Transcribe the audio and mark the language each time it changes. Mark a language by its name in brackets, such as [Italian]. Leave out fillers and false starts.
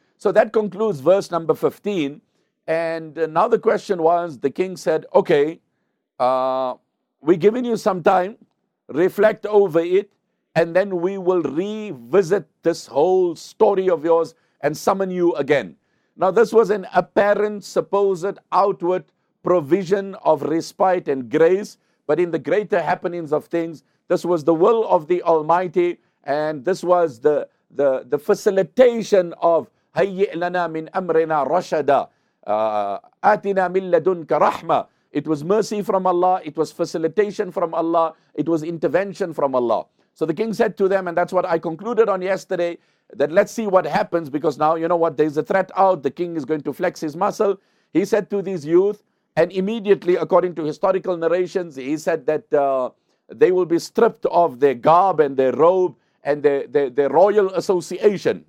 [English] So that concludes verse number 15. And now the question was, the king said, okay, we're giving you some time, reflect over it, and then we will revisit this whole story of yours and summon you again. Now, this was an apparent, supposed, outward provision of respite and grace. But in the greater happenings of things, this was the will of the Almighty. And this was the facilitation of [Arabic] هَيِّئْ لَنَا مِنْ أَمْرِنَا رَشَدًا آتِنَا مِنْ لَدُنْكَ رَحْمَةً. [English] It was mercy from Allah. It was facilitation from Allah. It was intervention from Allah. So the king said to them, and that's what I concluded on yesterday, that let's see what happens, because now, you know what, there's a threat out. The king is going to flex his muscle. He said to these youth, and immediately, according to historical narrations, he said that they will be stripped of their garb and their robe and their royal association.